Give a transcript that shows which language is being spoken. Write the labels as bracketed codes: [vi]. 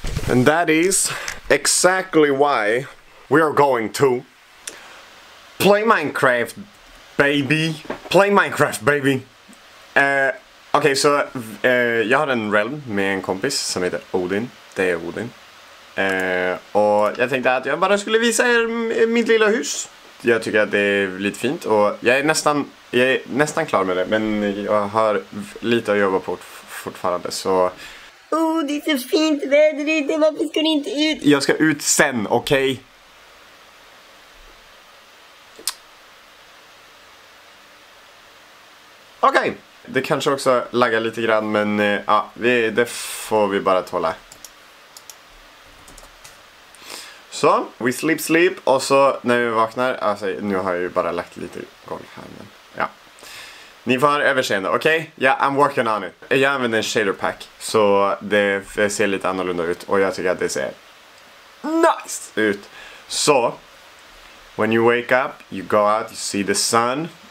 [en] And that is exactly why we are going to play Minecraft, baby! Play Minecraft, baby! [sv] Okej, så jag har en realm med en kompis som heter Odin. Det är Odin. Och jag tänkte att jag bara skulle visa er mitt lilla hus. Jag tycker att det är lite fint och jag är nästan klar med det, men jag har lite att jobba på fortfarande, så... Åh, oh, det är så fint väder ute, varför ska du inte ut? Jag ska ut sen, okej? Okej, det kanske också laggar lite grann, men ja, det får vi bara tåla. Så, [en] we sleep sleep, [sv] och så när vi vaknar, alltså nu har jag ju bara lagt lite golv här, men ja. Ni får ha överseende, okej? [en] Okay? Yeah, I'm working on it. [sv] Jag använder en shader pack, så det ser lite annorlunda ut, och jag tycker att det ser nice ut. [en] Så, when you wake up, you go out, you see the sun.